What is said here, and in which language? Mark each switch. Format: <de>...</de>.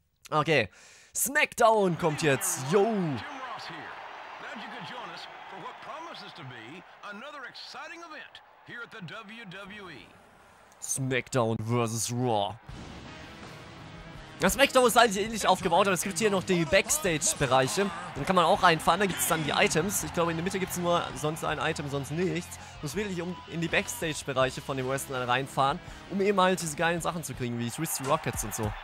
<de>Okay, SmackDown kommt jetzt, yo!</de> <en>Glad you could join us for what promises to be another exciting event here at the WWE. SmackDown vs. Raw.</en> <de>Das SmackDown ist eigentlich ähnlich aufgebaut, aber es gibt hier noch die Backstage-Bereiche. Dann kann man auch reinfahren, da gibt es dann die Items. Ich glaube, in der Mitte gibt es nur sonst ein Item, sonst nichts. Du musst wirklich in die Backstage-Bereiche von dem Wrestler reinfahren, um eben halt diese geilen Sachen zu kriegen, wie Twisted Rockets und so.</de>